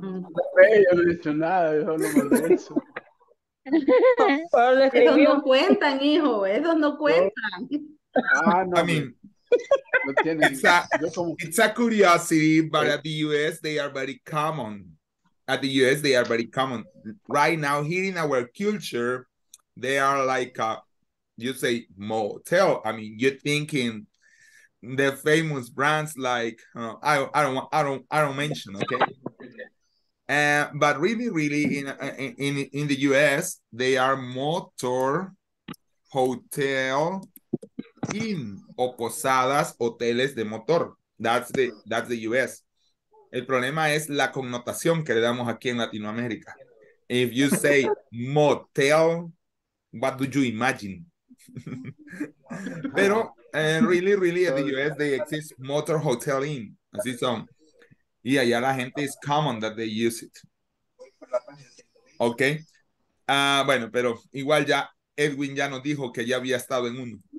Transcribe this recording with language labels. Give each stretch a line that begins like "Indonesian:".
Spanish: Yo no he dicho nada, yo no me lo he hecho. Esos no cuentan, hijo, esos no cuentan.
English: Ah, no. I mean, it's a curiosity, but at the US they are very common. At the US they are very common. Right now, here in our culture, they are like you say motel. I mean, you're thinking the famous brands like I don't mention, okay? But really in the US they are motor, hotel, inn,
Spanish: o posadas, hoteles de motor.
English: That's the US.
Spanish: El problema es la connotación que le damos aquí en Latinoamérica.
English: If you say motel, what do you imagine? Pero really in the US they exist motor hotel inn.
Spanish: Así son. Y allá la gente
English: is common that they use it. Okay.
Spanish: Bueno, pero igual ya Edwin ya nos dijo que ya había estado en uno.